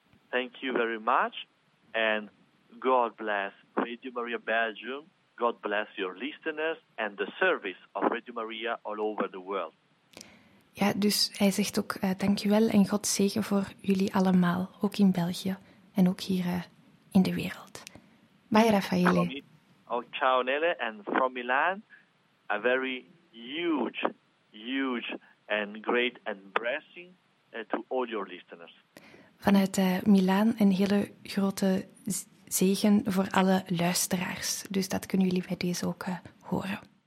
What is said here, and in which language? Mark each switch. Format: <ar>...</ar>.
<en>Thank you very much, and God bless Radio Maria Belgium, God bless your listeners and the service of Radio Maria all over the world.</en> <nl>Ja, dus hij zegt ook dankjewel en God zegen voor jullie allemaal, ook in België en ook hier in de wereld.</nl> <en>Bye, Raffaele. Oh, ciao, Nele. And from Milan, a very huge, huge and great and blessing to all your listeners.</en> <nl>Vanuit Milaan een hele grote zegen voor alle luisteraars. Dus dat kunnen jullie bij deze ook horen.</nl>